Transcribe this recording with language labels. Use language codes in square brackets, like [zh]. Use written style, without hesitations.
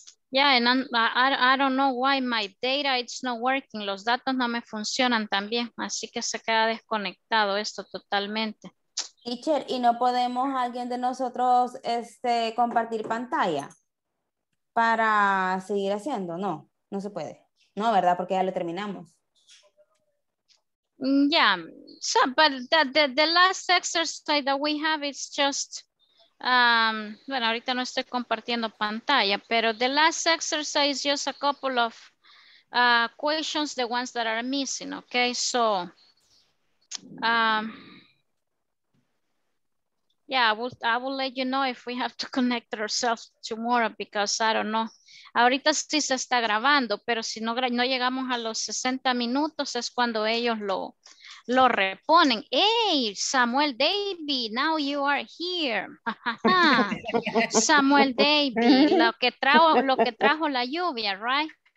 [en] Yeah, and I don't know why my data it's not working. [es] Los datos no me funcionan también, así que se queda desconectado esto totalmente. Teacher, ¿y no podemos alguien de nosotros compartir pantalla para seguir haciendo? No, no se puede. No, ¿verdad? Porque ya lo terminamos. [en] Yeah, so but the last exercise that we have is just [es] bueno, ahorita no estoy compartiendo pantalla, pero [en] the last exercise is just a couple of questions, the ones that are missing, okay? So yeah, I will let you know if we have to connect ourselves tomorrow because I don't know. [es] Ahorita sí se está grabando, pero si no llegamos a los 60 minutos es cuando ellos lo reponen. [en] Hey, Samuel David, now you are here. [es] Samuel David, lo que trajo la lluvia, right?